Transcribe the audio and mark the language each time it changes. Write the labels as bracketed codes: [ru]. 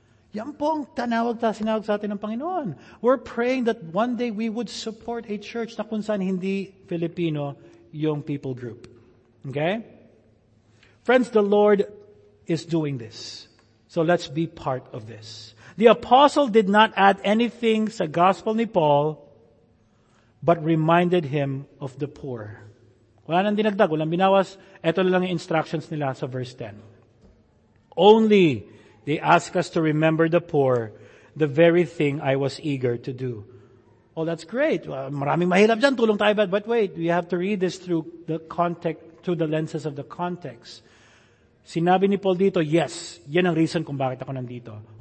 [tl] Yan pong tanawag ta sinawag sa atin ng Panginoon. [en] We're praying that one day we would support a church [tl] na kunsan hindi Filipino yung [en] people group. Okay? Friends, the Lord is doing this. So let's be part of this. The apostle did not add anything [tl] sa gospel ni Paul, [en] but reminded him of the poor. [tl] Wala nang dinagdag, walang binawas. Ito lang yung instructions nila sa verse 10. [en] Only they ask us to remember the poor, the very thing I was eager to do. Oh, that's great. [tl] Maraming mahilap dyan, tulong tayo. [en] But wait, we have to read this through the context, through the lenses of the context. [tl] Sinabi ni Paul dito, yes, yan ang reason kung bakit ako nandito.